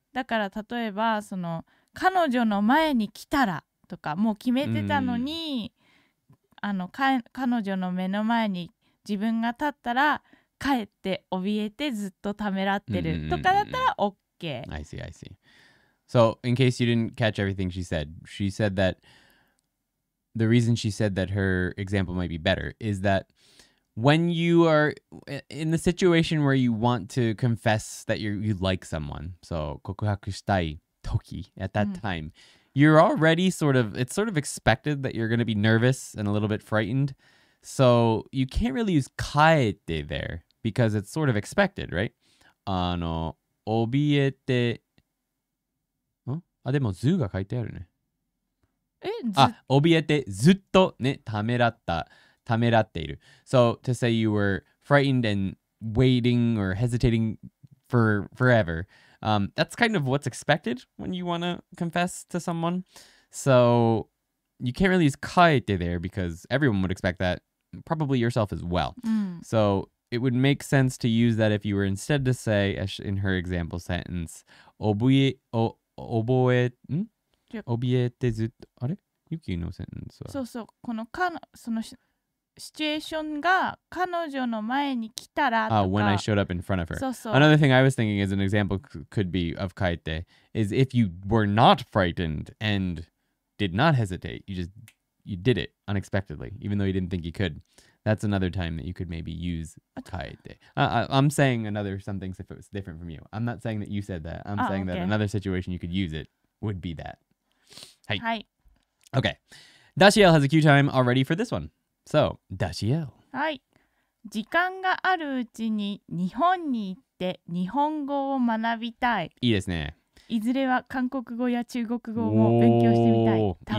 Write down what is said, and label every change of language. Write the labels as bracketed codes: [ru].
[ja] だから例えばその彼女の前に来たらとかもう決めてたのに、あの彼女の目の前に自分が立ったら帰って怯えてずっとためらってるとかだったら OK。 [en] I see, I see. So in case you didn't catch everything she said that the reason she said that her example might be better is that when you are in the situation where you want to confess that you like someone, so [ja] 告白したい時, [en] at that time, you're already sort of, it's sort of expected that you're going to be nervous and a little bit frightened. So you can't really use かえって there because it's sort of expected, right? [ja] あの、怯えて、あ、でもずが書いてあるね。え、ず、怯えてずっとね、ためらった。ためらっている。 [en] So to say you were frightened and waiting or hesitating for forever, that's kind of what's expected when you want to confess to someone. So you can't really use かえてthere because everyone would expect that, probably yourself as well. So it would make sense to use that if you were instead to say, as in her example sentence, [ja] おびえてずっと、あれ？ゆきの sentence は。そうそう、このかの、そのし、シチュエーションが彼女の前に来たらとか、 [en] when I showed up in front of her. [ja] そうそう。 [en] Another thing I was thinking as an example could be of かえって is if you were not frightened and did not hesitate, you did it unexpectedly, even though you didn't think you could. That's another time that you could maybe use かえって. I'm saying another some things if it was different from you. I'm not saying that you said that. I'm saying that another situation you could use it would be that. Hey. はい。 Okay. Dashiell has a cue time already for this one. So, Dashiell. [ja] はい。時間があるうちに日本に行って日本語を学びたい。いいですね。いずれは韓国語や中国語も勉強してみたい。